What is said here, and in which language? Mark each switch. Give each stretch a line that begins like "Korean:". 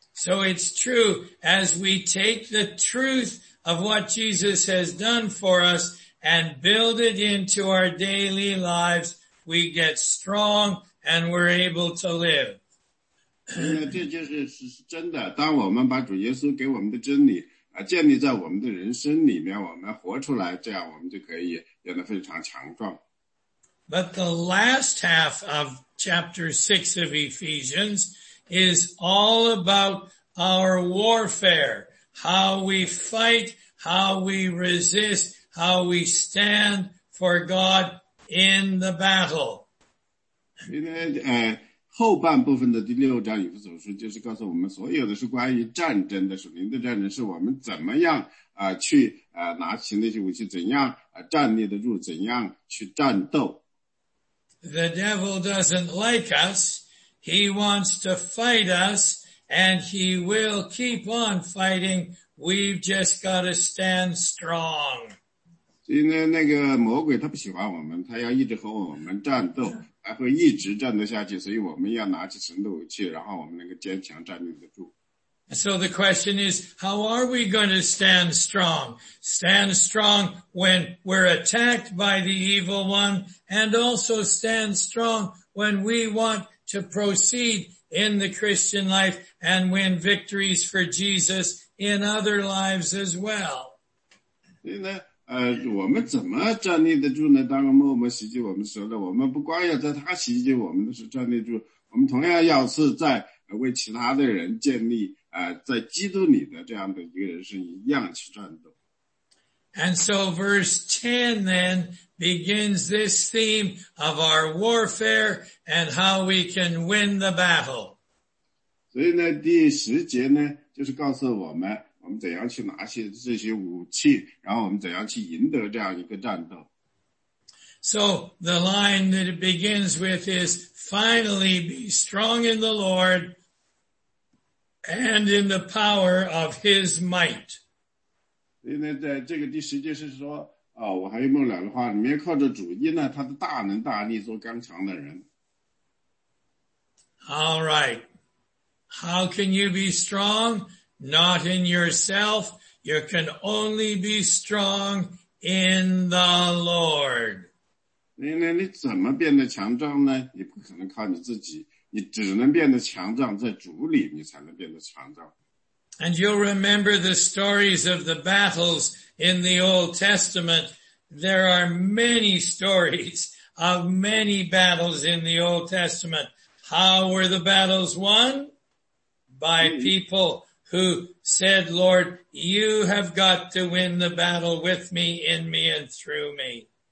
English: So it's true, as we take the truth of what Jesus has done for us and build it into our daily lives, we get strong and we're able to live.
Chinese: 这就是真的，当我们把主耶稣给我们的真理建立在我们的人生里面，我们活出来，这样我们就可以变得非常强壮。
English: But the last half of chapter 6 of Ephesians is all about our warfare, how we fight, how we resist, how we stand for God in the battle.
Chinese: 因为后半部分的第六章以弗所书就是告诉我们所有的是关于战争的，属灵的战争，是我们怎么样去拿起那些武器，怎样站立得住，怎样去战斗。
English: The devil doesn't like us. He wants to fight us and he will keep on fighting. We've just got to stand strong.
Chinese: 今天那个魔鬼他不喜欢我们，他要一直和我们战斗。还会一直站得下去，所以我们要拿起神的武器，然后我们能够坚强站立得住。
English: So the question is, how are we going to stand strong? Stand strong when we're attacked by the evil one, and also stand strong when we want to proceed in the Christian life and win victories for Jesus in other lives as well.
Chinese: 我们怎么站立得住呢？当个恶魔袭击我们的时候，我们不光要在他袭击我们的时候站立住，我们同样要是在为其他的人建立在基督里的这样的一个人生一样去战斗。
English: And so verse 10 then begins this theme of our warfare and how we can win the battle.
Chinese: 所以呢第十节呢就是告诉我们我们怎样去拿起这些武器然后我们怎样去赢得这样一个战斗。
English: So the line that it begins with is finally be strong in the Lord and in the power of his might.
Chinese: 所以呢在这个第十节是说我还有没有两句话里面靠着主因呢他的大能大力做刚强的人。
English: All right. How can you be strong? Not in yourself. You can only be strong in the Lord.
Chinese: 所以呢你怎么变得强壮呢你不可能靠你自己。你只能变得强壮在主里你才能变得强壮。
English: And you'll remember the stories of the battles in the Old Testament. There are many stories of many battles in the Old Testament. How were the battles won? By people who said, Lord, you have got to win the battle with me, in me, and through me.